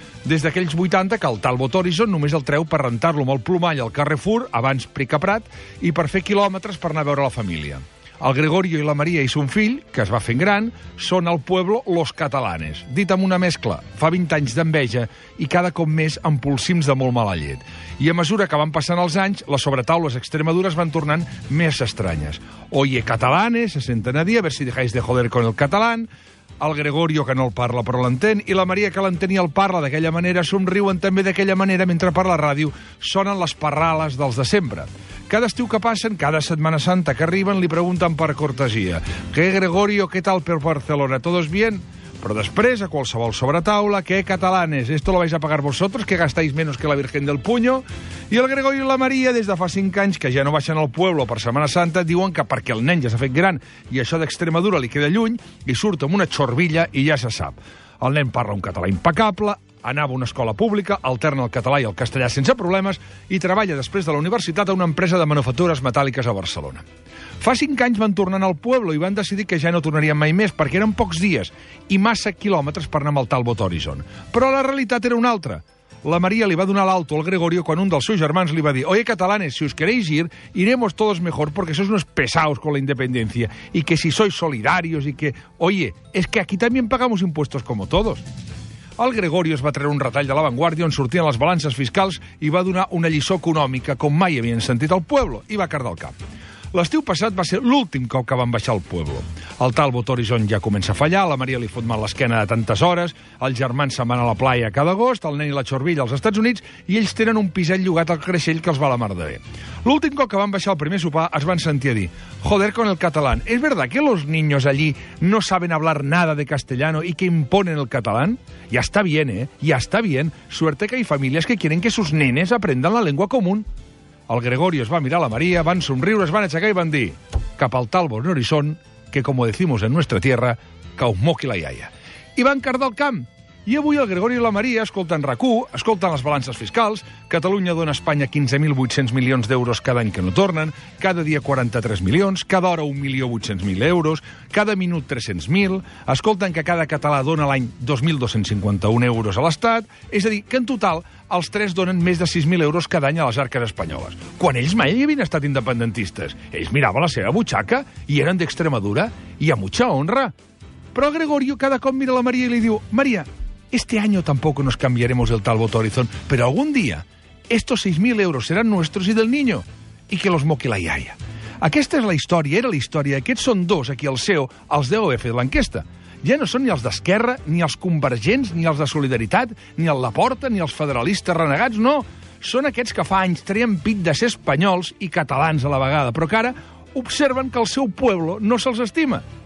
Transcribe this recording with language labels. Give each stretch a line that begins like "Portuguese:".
Catalan: Des d'aquells 80 que el Talbot Horizon només el treu per rentar-lo amb el plomall al Carrefour, abans Prica Prat, i per fer quilòmetres per anar a veure la família. El Gregorio i la Maria i son fill, que es va fent gran, són al pueblo
Spanish: los catalanes.
Catalan: Dit amb una mescla, fa 20 anys d'enveja i cada cop més amb polsims de molt mala llet. I a mesura que van passant els anys, les sobretaules extremadures van tornant més estranyes.
Spanish: Oye, catalanes,
Catalan: se senten a dir,
Spanish: a ver si dejáis de joder con el catalán. El Gregorio, que no el parla, però l'entén, i la Maria, que l'entén i el parla d'aquella manera, somriuen també d'aquella manera mentre per la ràdio sonen les parrales dels de sempre.
Catalan: Cada estiu que passen, cada Setmana Santa que arriben, li pregunten per cortesia.
Spanish: ¿Qué, Gregorio? ¿Qué tal
Catalan: per Barcelona?
Spanish: ¿Todos bien?
Catalan: Però després, a qualsevol sobretaula,
Spanish: ¿qué, catalanes? ¿Esto lo vais a pagar vosotros, que gastáis menos que la Virgen del Puño?
Catalan: I el Gregorio i la Maria, des de fa 5 anys, que ja no baixen al pueblo per Setmana Santa, diuen que perquè el nen ja s'ha fet gran i això d'Extremadura li queda lluny, i surt amb una xorbilla i ja se sap. El nen parla un català impecable, anava a una escola pública, alterna el català i el castellà sense problemes i treballa després de la universitat a una empresa de manufactures metàl·liques a Barcelona. Fa 5 anys van tornar al pueblo i van decidir que ja no tornarien mai més perquè eren pocs dies i massa quilòmetres per anar amb el Talbot Horizon. Però la realitat era una altra. La Maria li va donar l'alto al Gregorio quan un dels seus germans li va dir:
Spanish: «Oye, catalanes, si us queréis ir, iremos todos mejor porque sois unos pesados con la independencia y que si sois solidarios y que... Oye, es que aquí también pagamos impuestos como todos».
Catalan: El Gregorio es va treure un retall de l'avantguàrdia on sortien les balances fiscals i va donar una lliçó econòmica com mai havien sentit al pueblo i va cardar el cap. L'estiu passat va ser l'últim cop que van baixar al pueblo. El Talbot Horizon ja comença a fallar, la Maria li fot mal l'esquena de tantes hores, els germans se'n van a la playa cada agost, el nen i la xorbilla als Estats Units i ells tenen un piset llogat al Creixell que els va la mar de bé. L'últim cop que van baixar al primer sopar es van sentir a dir:
Spanish: «Joder con el catalán, ¿es verdad que los niños allí no saben hablar nada de castellano y que imponen el catalán? Ya está bien, ¿eh? Ya está bien. Suerte que hay familias que quieren que sus nenes aprendan la lengua común».
Catalan: El Gregorio es va mirar la Maria, van somriure, es van aixecar i van dir: «Cap al Talbot Horizon, que
Spanish: como decimos en nuestra tierra,
Catalan: cau moqui la iaia». I van cardar el camp. I avui el Gregorio i la Maria escolten RAC1, escolten les balances fiscals, Catalunya dona a Espanya 15.800 milions d'euros cada any que no tornen, cada dia 43 milions, cada hora 1.800.000 euros, cada minut 300.000, escolten que cada català dona l'any 2.251 euros a l'Estat, és a dir, que en total els tres donen més de 6.000 euros cada any a les arques espanyoles. Quan ells mai havien estat independentistes, ells miraven la seva butxaca i eren d'Extremadura i
Spanish: a mucha honra.
Catalan: Però Gregorio cada cop mira la Maria i li diu:
Spanish: «Maria, este año tampoco nos cambiaremos el Talbot Horizon, pero algún día estos 6.000 euros serán nuestros y del niño, y que los moque la iaia».
Catalan: Aquesta és la història, era la història. Aquests són dos, aquí el CEO, els deu haver fet l'enquesta. Ja no són ni els d'Esquerra, ni els convergents, ni els de Solidaritat, ni el Laporta, ni els federalistes renegats, no. Són aquests que fa anys treien pit de ser espanyols i catalans a la vegada, però que ara observen que el seu pueblo no se'ls estima.